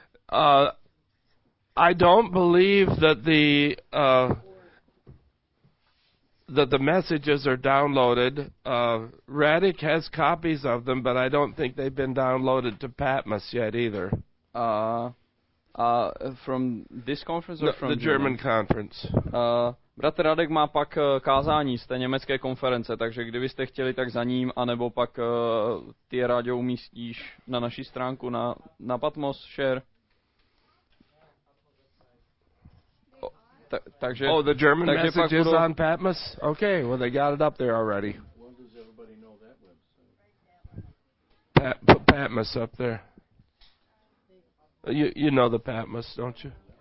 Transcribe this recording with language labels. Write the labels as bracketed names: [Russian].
[English] I don't believe that the messages are downloaded. Radic has copies of them, but I don't think they've been downloaded to Patmos yet either. From this conference or no, from the German conference? [Czech] Bratr Radek má pak kázání z té německé konference, takže kdybyste chtěli, tak za ním, anebo pak ty rádio umístíš na naší stránku na Patmos share. Takže [English] the German message is on Patmos? Okay, well, they got it up there already. When does everybody know that website? Put Patmos up there. You know the Patmos, don't you?